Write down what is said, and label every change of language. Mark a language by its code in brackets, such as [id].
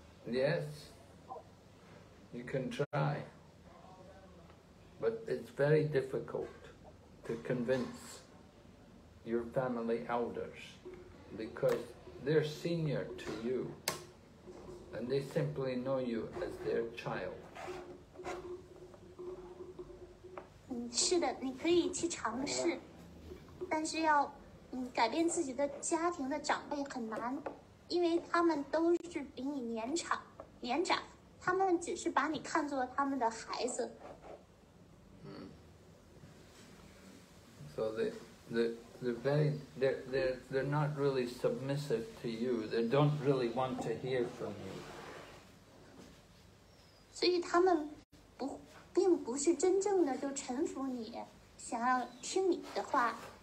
[en] Yes, you can try, but it's very difficult to convince your family elders, because they're senior to you and they simply know you as their child. [zh] 是的，你可以去尝试，但是要改变自己的家庭的长辈很难，因为他们都是比你年长，他们只是把你看作他们的孩子。 [en] So they're not really submissive to you. They don't really want to hear from you. [zh] 所以他们并不是真正的就臣服你，想要听你的话。